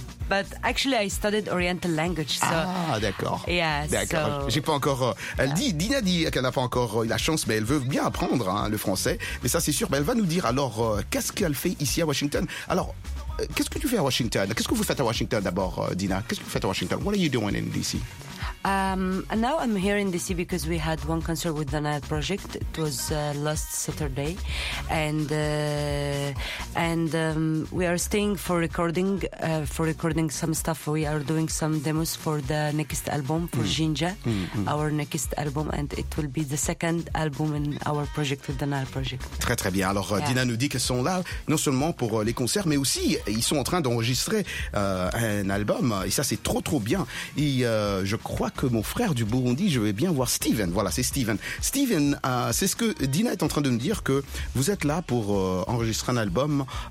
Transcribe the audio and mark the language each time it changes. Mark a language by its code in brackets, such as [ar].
[en] But actually, I studied Oriental language. So, [fr] ah, d'accord. [en] Yeah, [fr] d'accord. [en] So... [fr] J'ai pas encore... Dina dit qu'elle n'a pas encore la chance, mais elle veut bien apprendre. Le français, mais ça c'est sûr. Ben, elle va nous dire alors qu'est-ce qu'elle fait ici à Washington. Alors, qu'est-ce que tu fais à Washington? Qu'est-ce que vous faites à Washington d'abord, Dina? Qu'est-ce que vous faites à Washington? [en] What are you doing in DC? Now I'm here in DC because we had one concert with the Night Project. It was last Saturday, and we are staying for recording some stuff. We are doing some demos for the next album for Jinja, our next album, and it will be the second album in our project with the Night Project. [fr] Très très bien. Alors yeah. Dina nous dit qu'ils sont là non seulement pour les concerts, mais aussi ils sont en train d'enregistrer un album. Et ça c'est trop trop bien. Et je crois que mon frère du Burundi, je vais bien voir Steven. Voilà, c'est Steven. Steven, c'est ce que Dina est en train de me dire, que vous êtes là pour enregistrer un album.